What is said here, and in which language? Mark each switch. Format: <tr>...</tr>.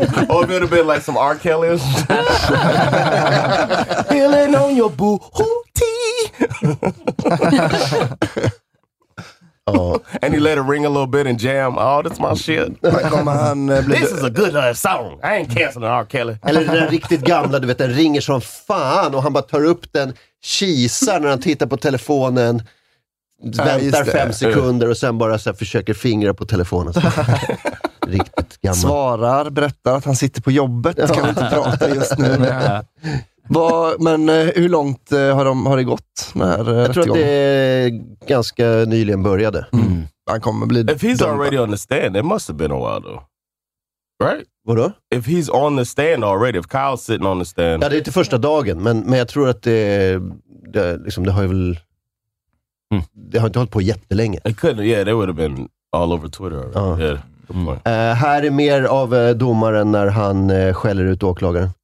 <en>Oh, it would have been like some R. Kelly. Feeling on your booty. And he let it ring a little bit and jam. Oh, that's my shit. This is a good song. I ain't canceling R. Kelly.</en> <sv>Eller den riktigt gamla, du vet, den ringer som fan och han bara tar upp den, kisar när han tittar på telefonen, väntar fem sekunder och sen bara så här, försöker fingra på telefonen. Riktigt gammal. Svarar, berättar att han sitter på jobbet. Ja. Kan inte prata just nu. Hur långt har det gått? Jag tror att det ganska nyligen började. Mm. Han kommer bli</sv> <en>If he's already on the stand, it must have been a while though. Right?</en> <sv>Vadå?</sv> <en>If he's on the stand already, if Kyle's sitting on the stand.</en> <sv>Ja, det är inte första dagen, men jag tror att det har ju väl... Det har inte hållit på jättelänge.</sv> <en>It couldn't, yeah, they would have been all over Twitter already. Ah. Yeah.</en> <sv>Här är mer av domaren när han skäller ut åklagaren.</sv>